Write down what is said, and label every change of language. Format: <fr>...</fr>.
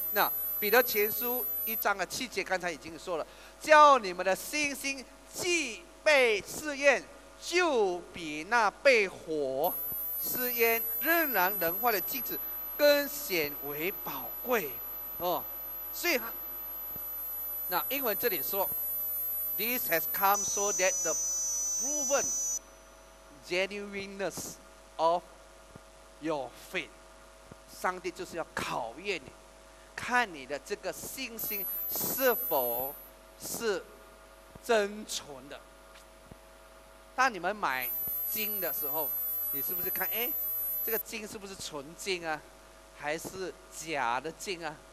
<zh>那彼得前书1章7节刚才已经说了，叫你们的信心既被试验，就比那被火试验仍然能坏的镜子更显为宝贵。所以那英文这里说，</zh> <en>This has come so that the proven genuineness of your faith.</en> <zh>上帝就是要考验你，看你的这个信心是否是真存的。当你们买金的时候，你是不是看，哎，这个金是不是纯金啊，还是假的金啊？</zh>